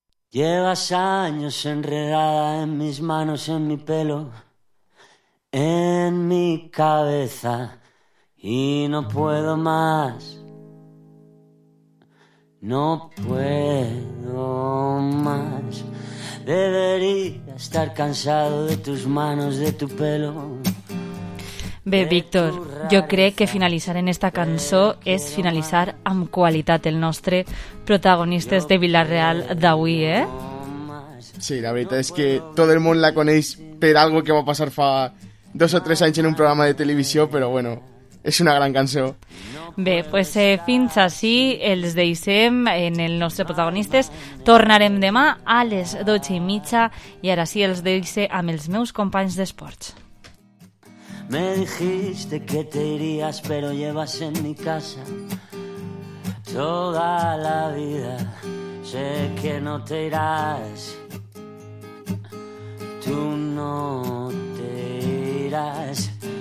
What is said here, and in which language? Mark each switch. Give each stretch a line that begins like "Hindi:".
Spanish: Llevas años enredada en mis manos, en mi pelo, en mi cabeza, y no puedo más, no puedo más. Debería estar cansado de tus manos, de tu pelo.
Catalan: Bé, Víctor, jo crec que finalitzar en esta cançó és finalitzar amb qualitat el nostre protagonistes de Vila-real d'avui, eh? Sí, la veritat és que tot el món la coneix per algo que va passar fa 2 o 3 anys en un programa de televisió, però bueno, és una gran cançó. Bé, pues fins així els deixem en el nostre protagonistes. Tornarem demà a les 12:30 i ara sí els deixo amb els meus companys d'esports.
Spanish: Me dijiste que te irías, pero llevas en mi casa toda la vida. Sé que no te irás, tú no te irás.